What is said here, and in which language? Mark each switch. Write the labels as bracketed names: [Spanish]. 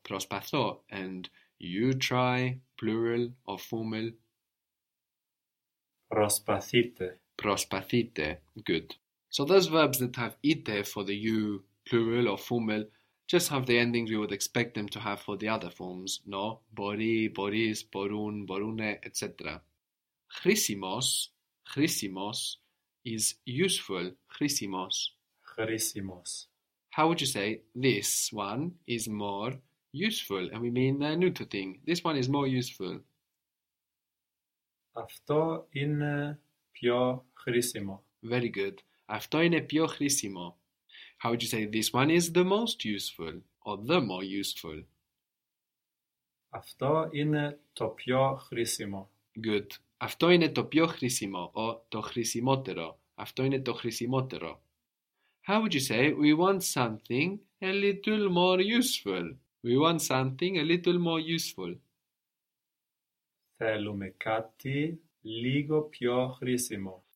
[Greek] Προσπαθώ. [English] And you try, plural or formal? [Greek] Προσπαθείτε. Προσπαθείτε. [English] Good. So those verbs that have ite for the you, plural or formal, just have the endings we would expect them to have for the other forms, no? [Greek] Μπορεί, μπορείς, μπορούν, μπορούνε, etc. Χρήσιμος, χρήσιμος, [English] is useful. [Greek] Χρήσιμος. Χρήσιμος. [English] How would you say this one is more useful? And we mean a neuter thing. This one is more useful. [Greek] Αυτό είναι πιο χρήσιμο. [English] Very good. [Greek] Αυτό είναι πιο χρήσιμο. [English] How would you say this one is the most useful or the more useful? [Greek] Αυτό είναι το πιο χρήσιμο. [English] Good. [Greek] Αυτό είναι το πιο χρήσιμο [English] or [Greek] το χρησιμότερο. Αυτό είναι το χρησιμότερο. [English] How would you say we want something a little more useful? We want something a little more useful. [Greek] Θέλουμε κάτι λίγο πιο χρήσιμο.